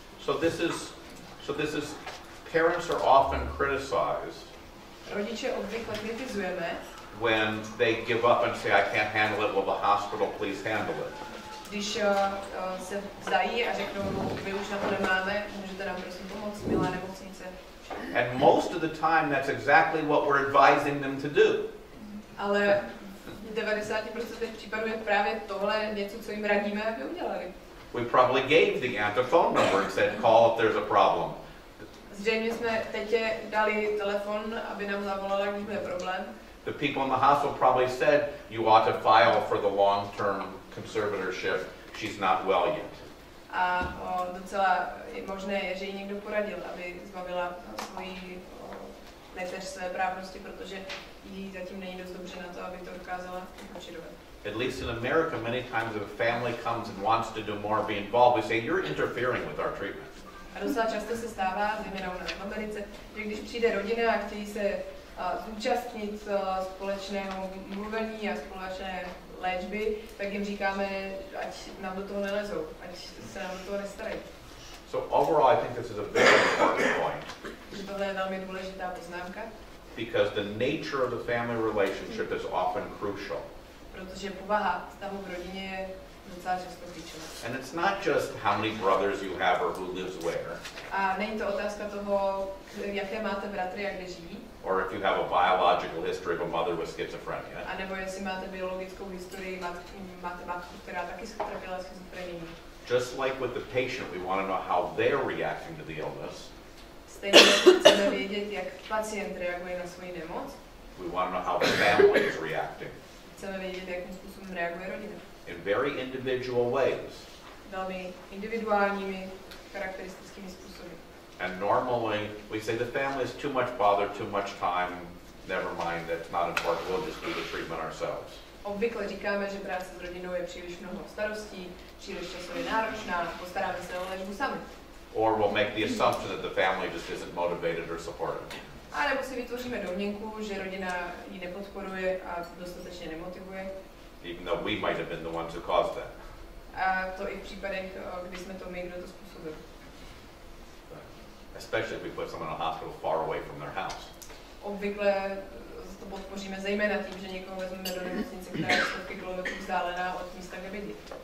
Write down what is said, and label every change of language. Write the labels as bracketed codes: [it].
[en] So this is parents are often criticized. [cs] Rodiče obvykle kritizujeme. [en] When they give up and say I can't handle it, will the hospital please handle it? [cs] Když se vzdají a řeknou, my už na to nemáme, můžete nám prosím pomoct, milá nemocnice. [en] And most of the time that's exactly what we're advising them to do. [cs] Ale 90% případů je právě tohle něco, co jim radíme, aby udělali. [en] We probably gave the aunt a phone number and said, call if there's a problem. [cs] Zřejmě jsme tetě dali telefon, aby nám zavolala, když bude problém. [en] The people in the hospital probably said you ought to file for the long-term conservatorship. She's not well yet. [cs] A docela možné je, že jí někdo poradil, aby zbavila svoji neteř své právnosti, protože jí zatím není dost dobře na to, aby to dokázala učinovat. [en] At least in America, many times if a family comes and wants to do more, be involved, we say, you're interfering with our treatment. [cs] A docela často se stává, zejména u nás v Americe, že když přijde rodina a chtějí se zúčastnit společného mluvení a společné léčby, tak jim říkáme, ať nám do toho nelezou, ať se nám do toho nestarají. [en] So overall, I think this is a very important point. [cs] Že tohle je velmi důležitá poznámka. [en] Because the nature of the family relationship is often crucial. [cs] Protože povaha vztahu v rodině je docela často klíčová. [en] And it's not just how many brothers you have or who lives where. [cs] A není to otázka toho, jaké máte bratry a kde žijí. [en] Or if you have a biological history of a mother with schizophrenia. [cs] A nebo jestli máte biologickou historii, máte matku, která taky se trápila schizofrenií. [en] Just like with the patient, we want to know how they're reacting to the illness. [cs] Stejně chceme vědět, jak pacient reaguje na svoji nemoc. [en] We want to know how the family is reacting. [cs] Chceme vědět, jakým způsobem reaguje rodina. [en] In very individual ways. [cs] Velmi individuálními charakteristickými způsoby. [en] And normally, we say the family is too much bother, too much time, never mind, that's not important, we'll just do the treatment ourselves. [cs] Obvykle říkáme, že práce s rodinou je příliš mnoho starostí, příliš časově náročná, postaráme se o léčbu sami. [en] Or we'll make the assumption that the family just isn't motivated or supported. [cs] A nebo si vytvoříme domněnku, že rodina ji nepodporuje a dostatečně nemotivuje. [en] Even though we might have been the ones who caused that. [cs] A to i v případech, kdy jsme to my, kdo to způsobil. [en] Especially if we put someone in a hospital far away from their house. [cs] Obvykle to podpoříme zejména tím, že někoho vezmeme do nemocnice, která je stovky kilometrů vzdálená od místa, kde bydlí.